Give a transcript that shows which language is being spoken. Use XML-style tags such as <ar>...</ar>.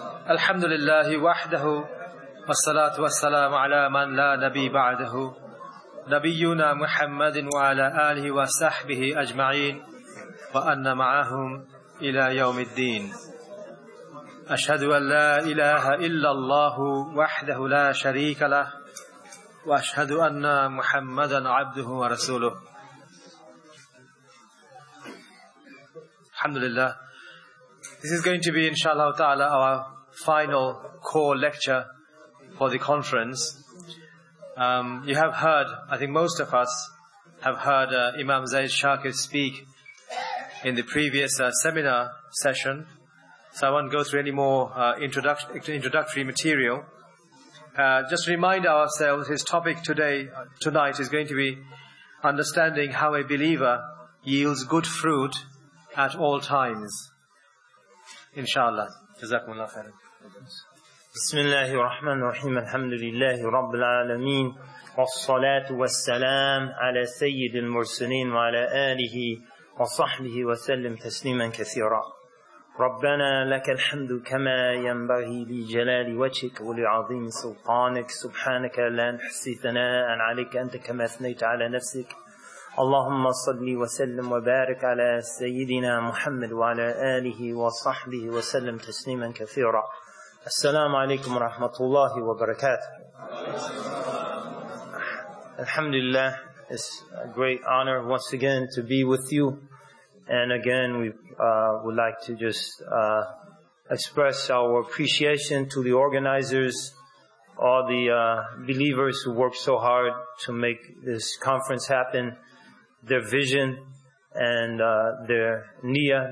<ar>الحمد لله وحده والصلاة والسلام على من لا نبي بعده نبينا محمد وعلى آله وصحبه أجمعين وأن معهم إلى يوم الدين أشهد أن لا إله إلا الله وحده لا شريك له وأشهد أن محمدا عبده ورسوله الحمد لله.</ar> <en>This is going to be inshallah ta'ala our final core lecture for the conference. You have heard, I think most of us have heard Imam Zayd Shakir speak in the previous seminar session, so I won't go through any more introductory material. Just to remind ourselves, his topic tonight is going to be understanding how a believer yields good fruit at all times. Inshallah. Jazakumullah khairan.</en> <ar>بسم الله الرحمن الرحيم الحمد لله رب العالمين والصلاة والسلام على سيد المرسلين وعلى آله وصحبه وسلم تسليما كثيرا ربنا لك الحمد كما ينبغي لجلال وجهك ولعظيم سلطانك سبحانك لا نحصي ثناء عليك أنت كما أثنيت على نفسك اللهم صل وسلم وبارك على سيدنا محمد وعلى آله وصحبه وسلم تسليما كثيرا السلام عليكم ورحمة الله وبركاته.</ar> <en>Alhamdulillah, it's a great honor once again to be with you. And again, we would like to just express our appreciation to the organizers, all the believers who worked so hard to make this conference happen, their vision and their niyyah.</en>